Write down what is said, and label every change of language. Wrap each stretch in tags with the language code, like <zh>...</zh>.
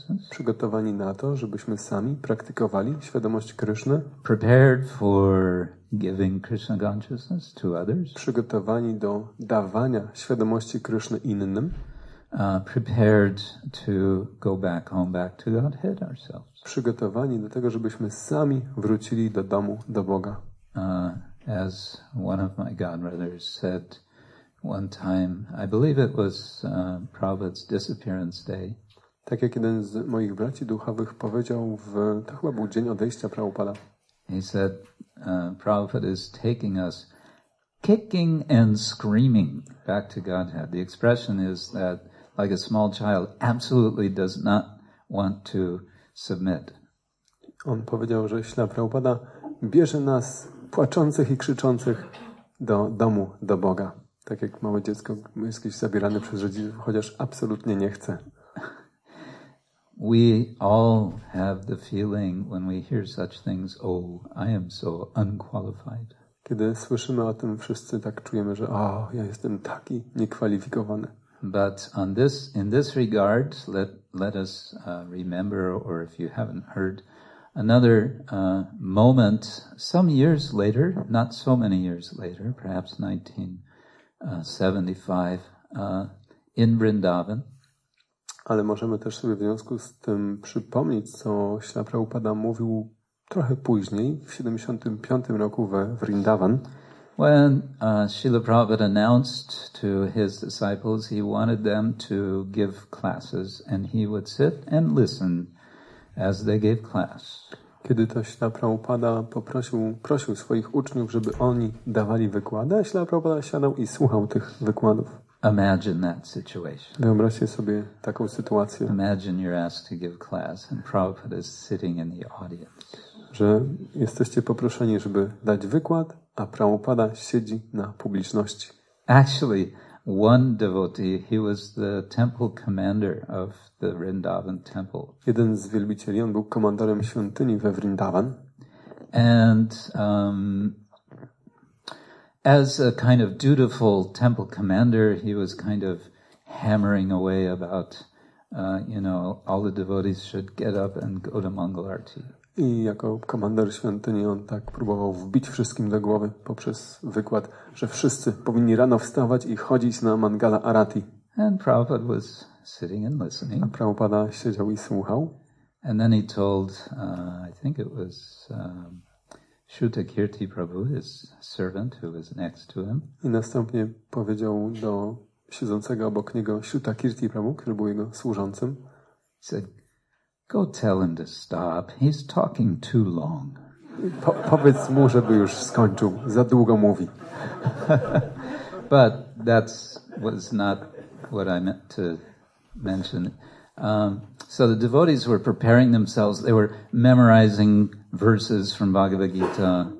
<pl>Przygotowani na to, żebyśmy sami praktykowali świadomość Kryszny.</pl> <en>Prepared for giving Krishna consciousness to others.</en> <pl>Przygotowani do dawania świadomości Kryszny innym.</pl> <en>Prepared to go back home, back to Godhead ourselves.</en> <pl>Przygotowani do tego, żebyśmy sami wrócili do domu, do Boga.</pl> <en>As one of my godbrothers said one time, I believe it was Prabhupada's disappearance day.</en> <pl>Tak jak jeden z moich braci duchowych powiedział, to chyba był dzień odejścia Prabhupada.</pl> <en>He said, Prabhupada is taking us kicking and screaming back to Godhead. The expression is that, like a small child, absolutely does not want to submit.</en> <pl>On powiedział, że śla Prabhupada bierze nas płaczących i krzyczących do domu, do Boga. Tak jak małe dziecko jest gdzieś zabierane przez rodziców, chociaż absolutnie nie chce.</pl> <en>We all have the feeling when we hear such things, oh, I am so unqualified.</en> <pl>Kiedy słyszymy o tym, wszyscy tak czujemy, że o, ja jestem taki niekwalifikowany.</pl> <en>But on this, in this regard, let us remember, or if you haven't heard, another moment some years later, not so many years later, perhaps 1975, in Vrindavan.</en> <pl>Ale możemy też sobie w związku z tym przypomnieć, co Śrila Prabhupada mówił trochę później, w 75 roku we Vrindavan.</pl> <en>When Śrila Prabhupada announced to his disciples, he wanted them to give classes and he would sit and listen as they gave class.</en> <pl>Kiedy to Śrila Prabhupada prosił swoich uczniów, żeby oni dawali wykłady, Śrila Prabhupada siadał i słuchał tych wykładów.</pl> <en>Imagine that situation.</en> <pl>Wyobraźcie sobie taką sytuację.</pl> <en>Imagine you're asked to give class and Prabhupada is sitting in the audience.</en> <pl>Że jesteście poproszeni, żeby dać wykład, a Prabhupada siedzi na publiczności.</pl> <en>Actually, one devotee, he was the temple commander of the Vrindavan temple.</en> <pl>Jeden z wielbicieli, on był komandorem świątyni we Vrindavan.</pl> <en>And as a kind of dutiful temple commander, he was kind of hammering away about, all the devotees should get up and go to Mangal Arati.</en> <pl>I jako komandor świątyni on tak próbował wbić wszystkim do głowy poprzez wykład, że wszyscy powinni rano wstawać i chodzić na Mangala Arati.</pl> <en>And Prabhupada was sitting and listening.</en> <pl>A Prabhupada siedział i słuchał.</pl> <en>And then he told, I think it was Śruta Kirti Prabhu, his servant who was next to him.</en> <pl>I następnie powiedział do siedzącego obok niego Śruta Kirti Prabhu, który był jego służącym.</pl> <en>Said, go tell him to stop. He's talking too long.</en> <pl>Powiedz mu, żeby już skończył. Za długo mówi.</pl> <en>But that was not what I meant to mention. So the devotees were preparing themselves. They were memorizing verses from Bhagavad Gita.</en>